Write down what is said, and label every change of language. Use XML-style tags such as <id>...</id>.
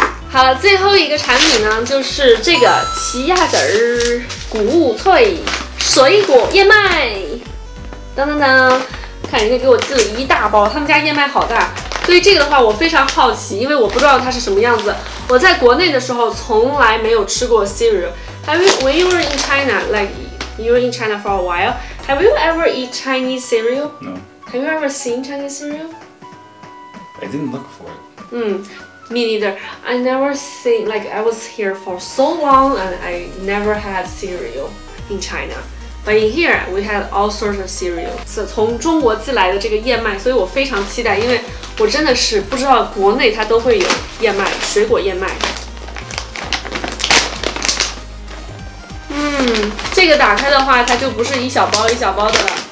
<zh>好了，最后一个产品呢，就是这个奇亚籽儿谷物脆水果燕麦。当当当，看人家给我寄了一大包，他们家燕麦好大。对于这个的话，我非常好奇，因为我不知道它是什么样子。我在国内的时候从来没有吃过 cereal.</zh> <en>When you were in China, like you were in China for a while, have you ever eat Chinese cereal? No. Have you ever seen Chinese cereal? I didn't look for it. Me neither. I never seen. Like I was here for so long, and I never had cereal in China. But in here, we have all sorts of cereal.</en> <zh>是从中国寄来的这个燕麦，所以我非常期待，因为我真的是不知道国内它都会有燕麦，水果燕麦。这个打开的话，它就不是一小包一小包的了。</zh>